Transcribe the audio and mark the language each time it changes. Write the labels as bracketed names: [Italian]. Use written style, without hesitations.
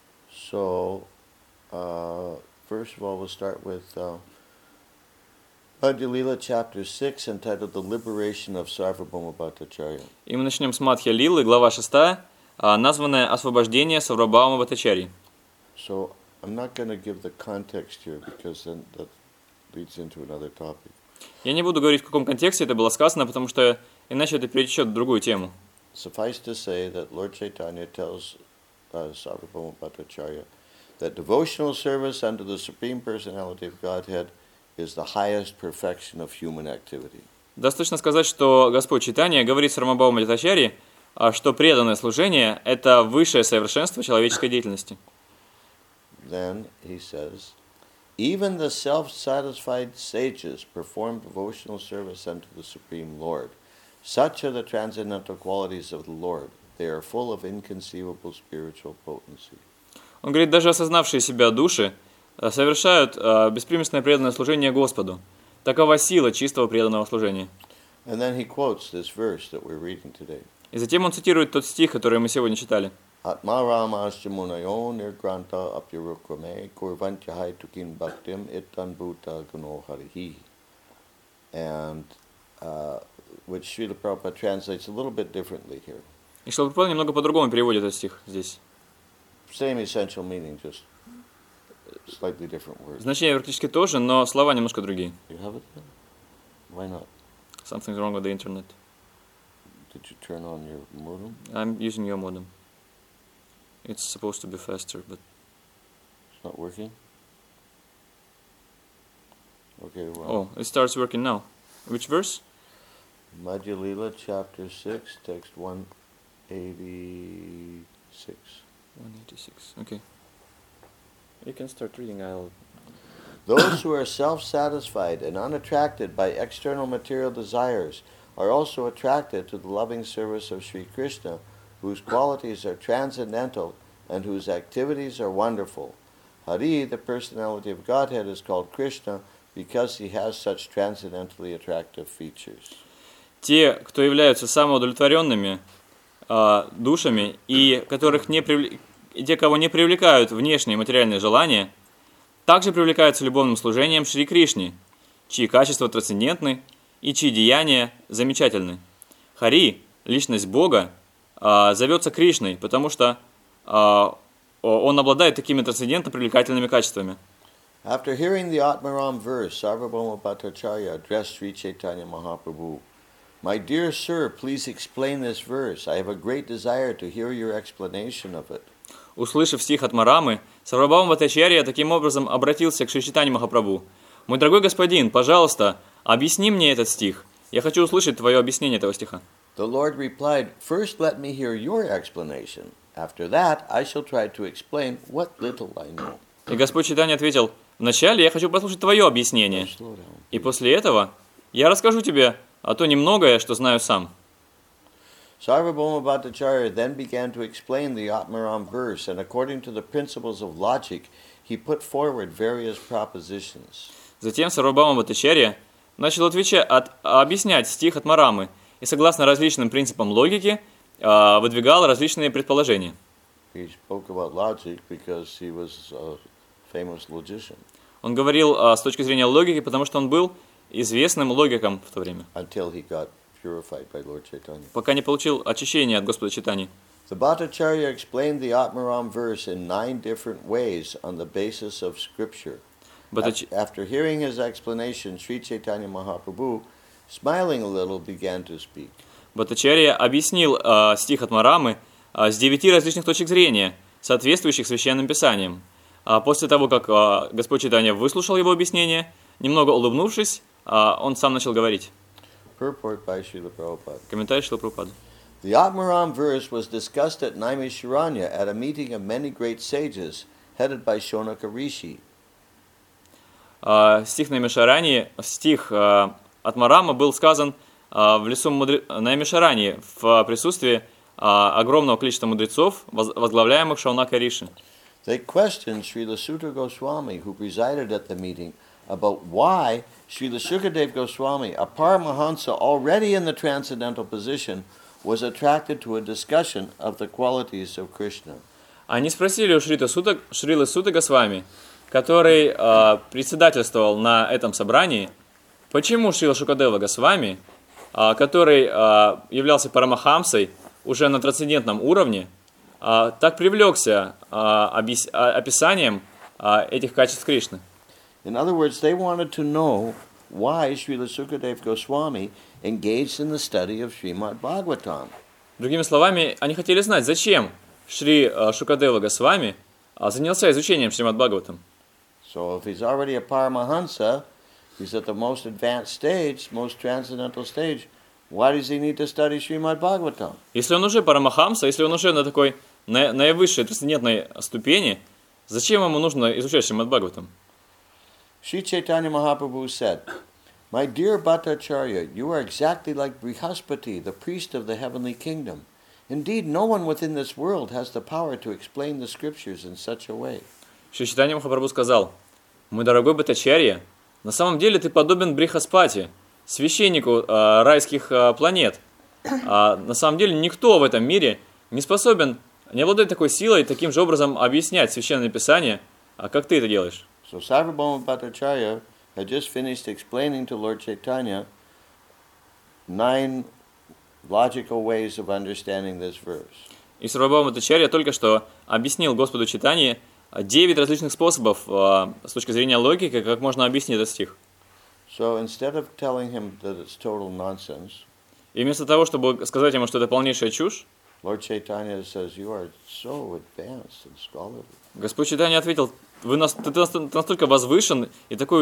[English] So, first of all, we'll start with Madhya Lila chapter 6, entitled "The Liberation of Sarvabhauma Bhattacharya." [Russian] И мы начнем с Мадхья Лилы, глава 6, названная "Освобождение Сарвабхаума Бхаттачарьи." [English] So, I'm not going to give the context here because then that leads into another topic. [Russian] Я не буду говорить, в каком контексте это было сказано, потому что иначе это перетечет в другую тему. [English] Suffice to say that Lord Chaitanya tells Sarvabhauma Bhattacharya that devotional service unto the Supreme Personality of Godhead is the highest perfection of human activity. [Russian] Достаточно сказать, что Господь Чайтанья говорит Сарвабхауме Бхаттачарье, что преданное служение – это высшее совершенство человеческой деятельности. [English] Then he says, even the self-satisfied sages perform devotional service unto the Supreme Lord. Such are the transcendental qualities of the Lord. They are full of inconceivable spiritual potency. [Russian] Он говорит, даже осознавшие себя души совершают беспримесное преданное служение Господу. Такова сила чистого преданного служения. [English] And then he quotes this verse that we're reading today. [Russian] И затем он цитирует тот стих, который мы сегодня читали. [Sanskrit] Атма Рамасья Мунайо Нирграндха Апьярукраме Курвантья Хай Тукин Бхактим Иттан Бхута Гуно Харихи. [English] And which Srila Prabhupada translates a little bit differently here. [Russian] И Шрила Прабхупада немного по-другому переводит этот стих здесь. [English] Same essential meaning, just slightly different words. [Russian] Значение практически то же, но слова немножко другие. [English] You have it there? Why not? Something's wrong with the internet. Did you turn on your modem? I'm using your modem. It's supposed to be faster, but not working. Okay, well. Oh, it starts working now. Which verse? Madhya Lila, chapter 6, text 186. 186, okay. You can start reading, I'll... Those who are self-satisfied and unattracted by external material desires are also attracted to the loving service of Sri Krishna, whose qualities are transcendental and whose activities are wonderful. Hari, the personality of Godhead, is called Krishna because he has such transcendentally attractive features. [Russian] Те, кто являются самоудовлетворенными душами и которых не те, кого не привлекают внешние материальные желания, также привлекаются любовным служением Шри Кришне, чьи качества трансцендентны и чьи деяния замечательны. Хари, личность Бога, зовется Кришной, потому что он обладает такими трансцендентно привлекательными качествами. [English] After hearing the Atmaram verse, Sarvabhauma Bhattacharya addressed Sri Chaitanya Mahaprabhu, "My dear sir, please explain this verse. I have a great desire to hear your explanation of it." [Russian] Услышав стих Атмарамы, Сарвабхаума Бхаттачарья таким образом обратился к Шри Чайтанья Махапрабху. «Мой дорогой господин, пожалуйста, объясни мне этот стих. Я хочу услышать твое объяснение этого стиха». [English] The Lord replied, "First let me hear your explanation. After that, I shall try to explain what little I know." [Russian] И Господь Чайтанья ответил, «Вначале я хочу послушать твое объяснение. И после этого я расскажу тебе о то немногое, что знаю сам». [English] Sarvabhauma Bhattacharya then began to explain the Atmaram verse, and according to the principles of logic, he put forward various propositions. [Russian] Затем Сарвабхаума Бхаттачарья начал объяснять стих Атмарамы и согласно различным принципам логики выдвигал различные предположения. [English] He spoke about logic because he was a famous logician. [Russian] Он говорил с точки зрения логики, потому что он был известным логиком в то время. [English] Until he got purified by Lord Chaitanya. [Russian] Пока не получил очищение от Господа Чайтаньи. [English] The Bhattacharya explained the Atmaram verse in 9 different ways on the basis of scripture. After hearing his explanation, Sri Chaitanya Mahaprabhu, smiling a little, began to speak. [Russian] Bhattacharya объяснил стих Атмарамы с 9 различных точек зрения, соответствующих священным писаниям. После того, как Господь Чайтанья выслушал его объяснение, немного улыбнувшись, он сам начал говорить. [English] Purport by Srila Prabhupada. [Russian] Комментарий Шрилы Прабхупады. [English] The Atmaram verse was discussed at Naimisharanya at a meeting of many great sages headed by Shonaka Rishi. [Russian] Стих Наймишарани, стих Атмарама был сказан в лесу Наймишарани в присутствии огромного количества мудрецов, возглавляемых Шонака Риши. [English] They questioned Srila Suta Goswami, who presided at the meeting, about why Srila Sukadeva Goswami, a Paramahansa already in the transcendental position, was attracted to a discussion of the qualities of Krishna. [Russian] Они спросили у Шрилы Сута Госвами, который председательствовал на этом собрании, почему Шрила Шукадева Госвами, который являлся Парамахамсой уже на трансцендентном уровне, так привлекся описанием этих качеств Кришны. [English] In other words, they wanted to know why Srila Sukadeva Goswami engaged in the study of Srimad Bhagavatam. [Russian] Другими словами, они хотели знать, зачем Шри Шукадева Госвами занялся изучением Шримад Бхагаватам. [English] So if he's already a Paramahansa, he's at the most advanced stage, most transcendental stage, why does he need to study Srimad Bhagavatam? [Russian] Если он уже Парамахамса, если он уже на такой наивысшей трансцендентной ступени, зачем ему нужно изучать Шримад Бхагаватам? [English] Sri Chaitanya Mahaprabhu said, "My dear Bhattacharya, you are exactly like Brihaspati, the priest of the heavenly kingdom. Indeed, no one within this world has the power to explain the scriptures in such a way." [Russian] Sri Chaitanya Mahaprabhu сказал, "Мой дорогой Бхаттачарья, на самом деле ты подобен Брихаспати, священнику райских планет. На самом деле никто в этом мире не способен, не обладает такой силой, таким же образом объяснять священное писание, как ты это делаешь." [English] So Sarvabhauma Bhattacharya had just finished explaining to Lord Chaitanya 9 logical ways of understanding this verse. [Russian] И Сарвабхаума Бхаттачарья только что объяснил Господу Чайтанье 9 различных способов с точки зрения логики, как можно объяснить этот стих. [English] So instead of telling him that it's total nonsense, [Russian] и вместо того, чтобы сказать ему, что это полнейшая чушь, [English] Lord Chaitanya says, "You are so advanced and scholarly." [Russian] Господь Чайтанья ответил, вы нас, ты настолько возвышен и такой